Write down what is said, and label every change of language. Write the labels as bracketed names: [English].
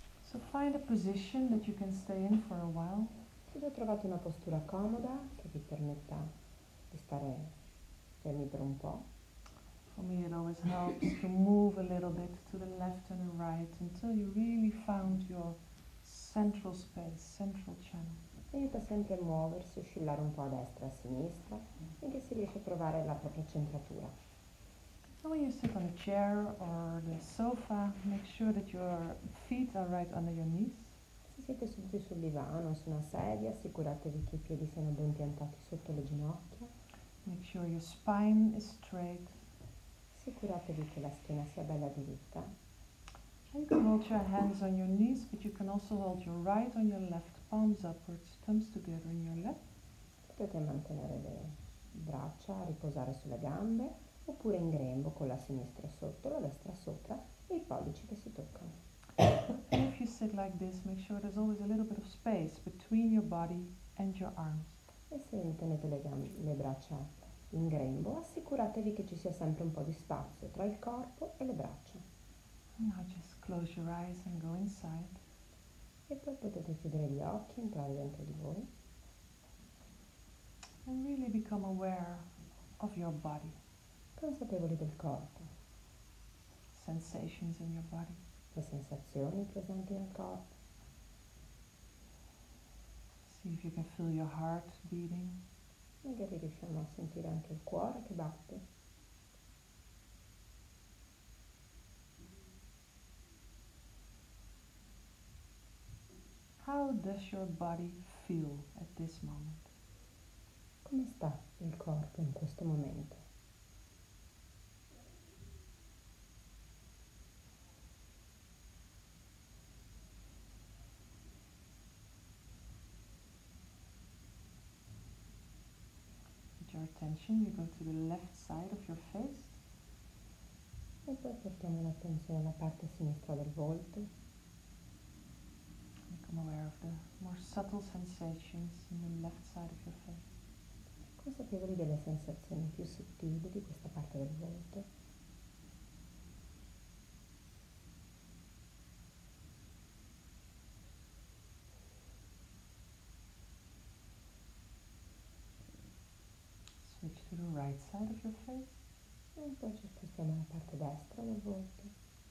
[English] So find a position that you can stay in for a while. [Italian] Se già trovate una postura comoda che vi permetta di stare fermi per un po'. [English] For me it always helps to move a little bit to the left and the right until you really found your central space, central channel. [Italian] Aiuta sempre a muoversi, oscillare un po' a destra e a sinistra, finché si riesce a trovare la propria centratura. [English] When you sit on a chair or the sofa, make sure that your feet are right under your knees. [Italian] Se siete seduti sul divano o su una sedia, assicuratevi che i piedi siano ben piantati sotto le ginocchia. [English] Make sure your spine is straight. [Italian] Assicuratevi che la schiena sia bella dritta. [English] You can hold your hands on your knees, but you can also hold your right on your left. Palms upwards, thumbs together in your lap. [Italian] Potete mantenere le braccia a riposare sulle gambe oppure in grembo con la sinistra sotto, la destra sopra e i pollici che si toccano. [English] If you sit like this, make sure there's always a little bit of space between your body and your arms. [Italian] E se tenete le braccia in grembo, assicuratevi che ci sia sempre un po' di spazio tra il corpo e le braccia. [English] Now just close your eyes and go inside. [Italian] E poi potete chiudere gli occhi, entrare dentro di voi. [English] And really become aware of your body. [Italian] Consapevoli del corpo. [English] Sensations in your body. [Italian] Le sensazioni presenti nel corpo. [English] See if you can feel your heart beating. [Italian] Magari riusciamo a sentire anche il cuore che batte. [English] How does your body feel at this moment? [Italian] Come sta il corpo in questo momento? [English] With your attention, you go to the left side of your face. [Italian] E poi portiamo l'attenzione alla parte sinistra del volto. [English] Become aware of the more subtle sensations in the left side of your face. [Italian] Consapevoli delle sensazioni più sottili di questa parte del volto. [English] Switch to the right side of your face. [Italian] E poi ci spostiamo alla parte destra del volto.